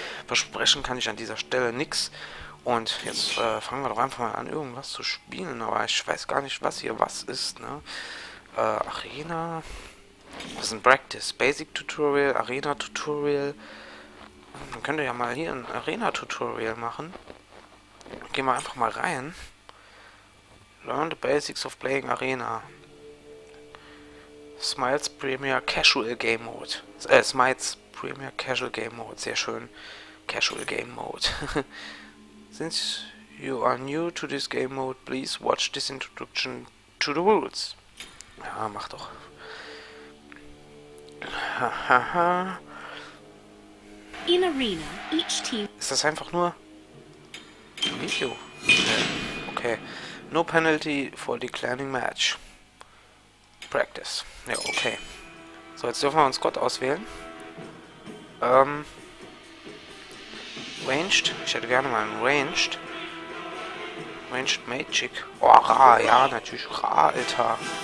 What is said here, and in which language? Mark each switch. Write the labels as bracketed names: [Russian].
[German] Versprechen kann ich an dieser Stelle nichts. Und jetzt fangen wir doch einfach mal an, irgendwas zu spielen. Aber ich weiß gar nicht, was hier was ist, ne? Arena. Das ist ein Practice. [English] Basic Tutorial, Arena Tutorial. [German] Man könnte ja mal hier ein Arena Tutorial machen. Gehen wir einfach mal rein. [English] Learn the basics of playing Arena. Smite's Premier Casual Game Mode. Smite's Premier Casual Game Mode. [German] Sehr schön. [English] Casual Game Mode. Since you are new to this game mode, please watch this introduction to the rules. [German] Ja, mach doch. Ha, [English] In Arena, each team. [German] Ist das einfach nur ein Video? Okay. [English] No penalty for declining match. [German] Practice. Ja, okay. So, jetzt dürfen wir uns Gott auswählen. Ranged. Ich hätte gerne mal einen Ranged. Ranged Magic. Oh, Ra, ja, natürlich. Ra, Alter.